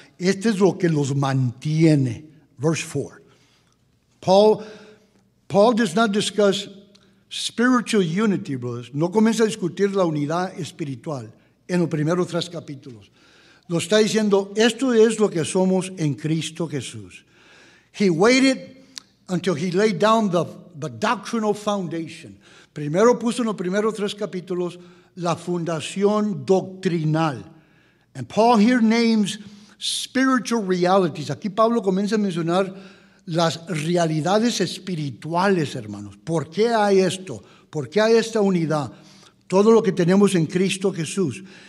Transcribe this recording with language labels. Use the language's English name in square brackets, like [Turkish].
[Spanish] Este es lo que los mantiene. [English] Verse 4. Paul does not discuss spiritual unity, brothers. [Spanish] No comienza a discutir la unidad espiritual en los primeros tres capítulos. Lo está diciendo, esto es lo que somos en Cristo Jesús. [English] He waited until he laid down the doctrinal foundation. [Spanish] Primero puso en los primeros tres capítulos la fundación doctrinal. [English] And Paul here names spiritual realities. [Spanish] Aquí Pablo comienza a mencionar las realidades espirituales, hermanos. ¿Por qué hay esto? ¿Por qué hay esta unidad? Todo lo que tenemos en Cristo Jesús.